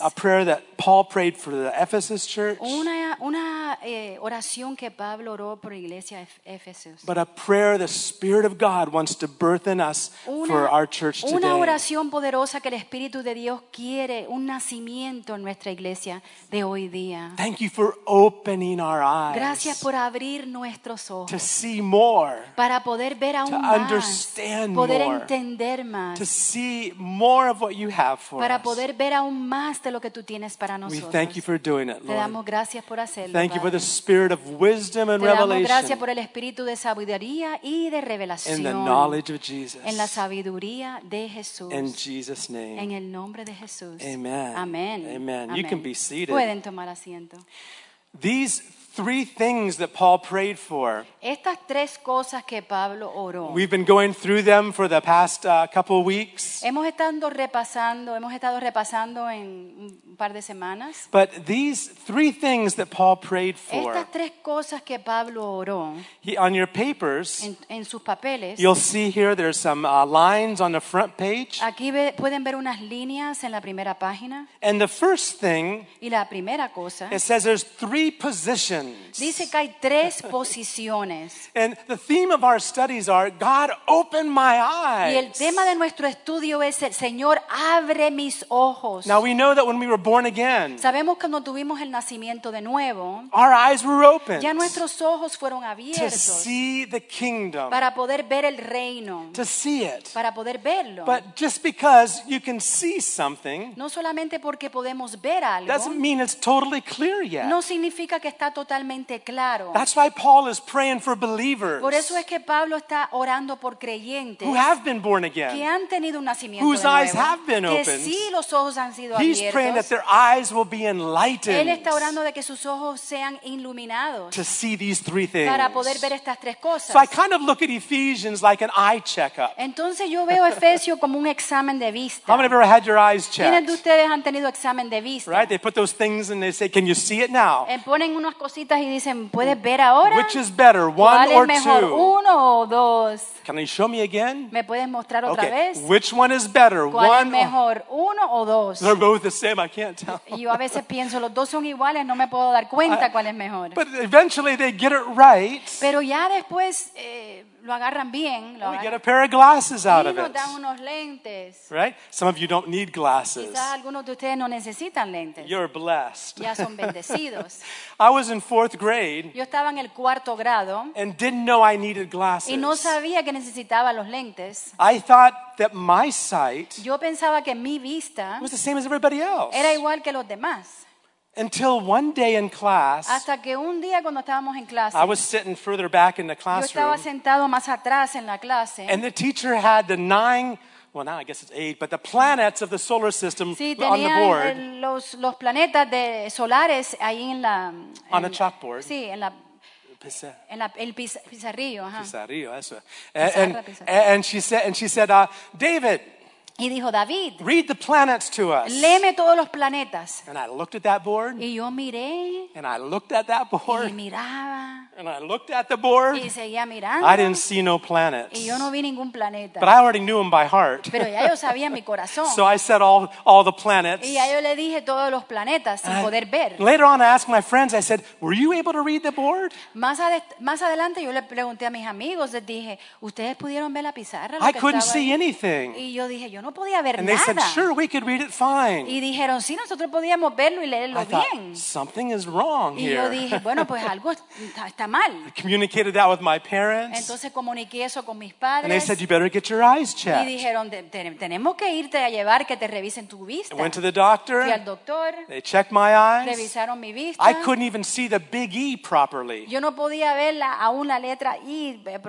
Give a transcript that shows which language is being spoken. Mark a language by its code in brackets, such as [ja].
[en] A prayer that Paul prayed for the Ephesus church. [es] Una oración que Pablo oró por la iglesia de Éfesos. [en] But a prayer the Spirit of God wants to birth in us for our church today. [es] Una oración poderosa que el Espíritu de Dios quiere un nacimiento en nuestra iglesia de hoy día. [en] Thank you for opening our eyes [es] gracias por abrir nuestros ojos, [en] to see more, [es] para poder ver aún [en] to [es] más, [en] understand [es] poder [en] more, [es] entender más, [en] to see more of what you have for [es] para [en] us. [es] Poder ver aún más de lo que tú tienes para nosotros. [en] We thank you for doing it, Lord. [es] Te damos gracias por hacerlo, [en] thank [es] Padre. [en] You for the spirit of wisdom and revelation. [es] Te damos gracias por el espíritu de sabiduría y de revelación. [en] In the knowledge of Jesus. [es] En la sabiduría de Jesús. [en] In Jesus' name. [es] En el nombre de Jesús. Amen. Amen. [en] Amen. You can be seated. [es] Pueden tomar asiento. [en] These three things that Paul prayed for. [es] Estas tres cosas que Pablo oró. [en] We've been going through them for the past couple of weeks. [es] Hemos estado repasando en un par de semanas. [en] But these three things that Paul prayed for. [es] Estas tres cosas que Pablo oró. [en] On your papers, [es] en sus papeles, [en] you'll see here there's some lines on the front page. [es] Aquí pueden ver unas líneas en la primera página. [en] And the first thing, [es] y la primera cosa, [en] it says there's three positions. [es] Dice que hay tres posiciones. [en] And the theme of our studies are God open my eyes. [es] Y el tema de nuestro estudio es el Señor abre mis ojos. [en] Now we know that when we were born again, [es] sabemos que cuando tuvimos el nacimiento de nuevo, [en] our eyes were opened. [es] Ya nuestros ojos fueron abiertos. [en] To see the kingdom. [es] Para poder ver el reino. [en] To see it. [es] Para poder verlo. [en] But just because you can see something, [es] no solamente porque podemos ver algo, [en] doesn't mean it's totally clear yet. [es] No significa que está totalmente claro. [en] That's why Paul is praying for believers. [es] Por eso es que Pablo está orando por creyentes. [en] Who have been born again. [es] Que han tenido un nacimiento [en] whose [es] de [en] eyes [es] nuevo, [en] have been [es] que [en] opened. [es] Sí, los ojos han sido [en] He's [es] abiertos. [en] Praying that their eyes will be enlightened. [es] Él está orando de que sus ojos sean iluminados. [en] To see these three things. [es] Para poder ver estas tres cosas. [en] So I kind of look at Ephesians like an eye checkup. [es] Entonces yo veo Efesios como un examen de vista. [en] How many have ever had your eyes checked? [es] ¿Quiénes de ustedes han tenido examen de vista? [en] Right, they put those things and they say, "Can you see it now?" [es] Ponen unas cositas y dicen, "¿Puedes ver ahora?" [en] Which is better, one [es] ¿Cuál [en] or [es] es mejor, [en] two? [es] Uno o dos? [en] Can you show me again? [es] ¿Me puedes mostrar [en] okay. [es] otra vez? [en] Which one is better, [es] ¿Cuál [en] one [es] es mejor, [en] or... [es] uno o dos? [en] They're both the same. I can't tell. [es] Yo a veces pienso, los dos son iguales, no me puedo dar cuenta cuál es mejor. [en] But eventually they get it right. [es] Pero ya después lo agarran bien. [en] We get a pair of glasses out of it. [es] Y nos dan unos lentes. [en] Right? Some of you don't need glasses. [es] Quizás algunos de ustedes no necesitan lentes. [en] You're blessed. [es] Ya son bendecidos. [en] I was in fourth grade. [es] Yo estaba en el cuarto grado. [en] And didn't know I needed glasses. [es] Y no sabía que necesitaba los lentes. [en] I thought that my sight. [es] Yo pensaba que mi vista. [en] Was the same as everybody else. [es] Era igual que los demás. [en] Until one day in class, [es] hasta que un día cuando estábamos en clase, [en] I was sitting further back in the classroom. [es] Yo estaba sentado más atrás en la clase, [en] and the teacher had the nine, well now I guess it's eight, but the planets of the solar system [es] sí, [en] on the board. [es] Los planetas de solares ahí en la, [en] on a chalkboard. [es] Sí, en la, en la, el pizarrillo. Ajá. Pizarrillo, eso. [en] And she said, David. [es] Y dijo, David, [en] read the planets to us. [es] Léeme todos los planetas. [en] And I looked at that board. [es] Y yo miré. [en] And I looked at that board. [es] Y miraba. [en] And I looked at the board. [es] Y seguía mirando. [en] I didn't see no planets. [es] Y yo no vi ningún planeta. [en] But I already knew them by heart. [es] Pero ya yo sabía mi corazón. [en] So I said all the planets. [es] Y ya yo le dije todos los planetas sin poder ver. [en] Later on, I asked my friends. I said, "Were you able to read the board?" [es] Más adelante, yo le pregunté a mis amigos. Les dije, "¿Ustedes pudieron ver la pizarra?" [en] I couldn't see anything. [es] Y yo dije, yo no podía ver [en] and [es] nada. [en] They said, "Sure, we could read it fine." [es] Y dijeron, sí, nosotros podíamos verlo y leerlo [en] I thought, [es] bien. [en] Something is wrong [es] y [en] here. [es] Yo dije, bueno, pues algo está mal. [en] I communicated that with my parents. [es] Entonces comuniqué eso con mis padres. [en] And they said, "You better get your eyes checked." [es] Y dijeron, tenemos que irte a llevar que te revisen tu vista. [en] I went to the doctor. [es] Fui al doctor. [en] They checked my eyes. [es] Revisaron mi vista. [en] I couldn't even see the big E properly. [es] Yo no podía ver la, aún la letra I